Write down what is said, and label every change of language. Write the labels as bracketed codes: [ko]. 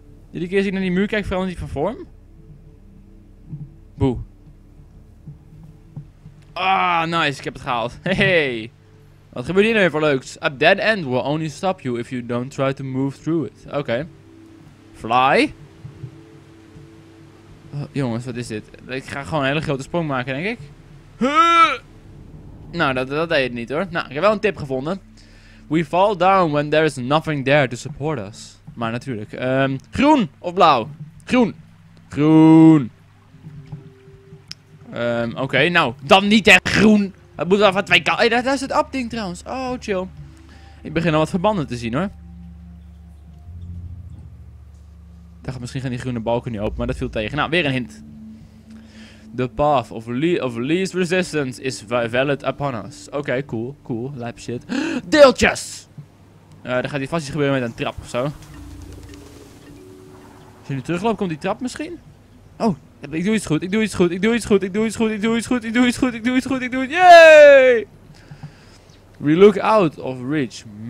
[nl] Iedere keer als ik naar die muur kijk, verandert die van vorm? Boe. Ah, nice. Ik heb het gehaald. Hey. Wat gebeurt hier nou voor leuks? [en] A dead end will only stop you if you don't try to move through it. [nl] Oké. Fly. Jongens, wat is dit? Ik ga gewoon een hele grote sprong maken, denk ik. Nou, dat deed het niet hoor. Nou, ik heb wel een tip gevonden. [en] We fall down when there is nothing there to support us. [nl] Maar natuurlijk. Groen of blauw? Groen. Groen. Oké. Nou, dan niet echt groen. Het moet wel van twee kanten. Hey, daar is het app-ding trouwens. Oh, chill. Ik begin al wat verbanden te zien hoor. Ik dacht, misschien gaan die groene balken niet open, maar dat viel tegen. Nou, weer een hint. [en] The path of least resistance is valid upon us. [nl] Oké, cool, cool, lijp shit. Deeltjes! Dan gaat hij vast iets gebeuren met een trap of zo. Als je nu terugloopt, komt die trap misschien? Oh, ik doe iets goed, ik doe iets goed, ik doe iets goed, ik doe iets goed, ik doe iets goed, ik doe iets goed, ik doe iets goed, ik doe iets goed, yay! [en] We look out of reach.